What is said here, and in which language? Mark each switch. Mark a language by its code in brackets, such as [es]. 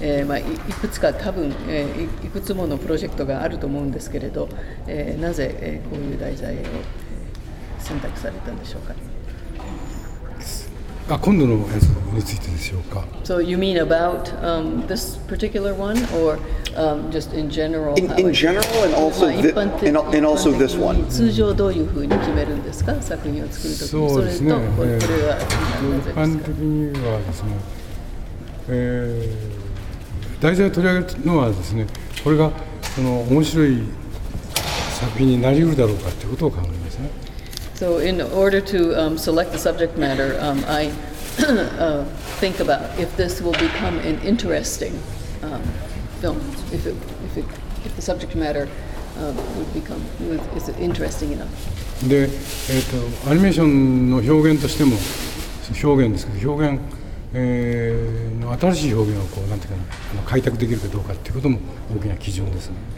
[ja] まあ、いくつか多分、いくつものプロジェクトがあると思うんですけれど、なぜ、こういう題材を、選択されたんでしょうか。あ、今度のやつについてでしょうか。 [en] So you mean about this particular one or just in general? In general and also, and also this one. [ja] 通常どういうふうに決めるんですか、作品を作るときに。そうですね。それと、これは一般的にはですね、題材を取り上げるのはですね、これがその面白い作品になりうるだろうかということを考えますね。 [en] So in order to select the subject matter, I think about if this will become an interesting film, if the subject matter would become, is it interesting enough? [ja] で、アニメーションの表現としても、表現ですけど、表現、の新しい表現をこう、なんていうかな、開拓できるかどうかっていうことも大きな基準ですね。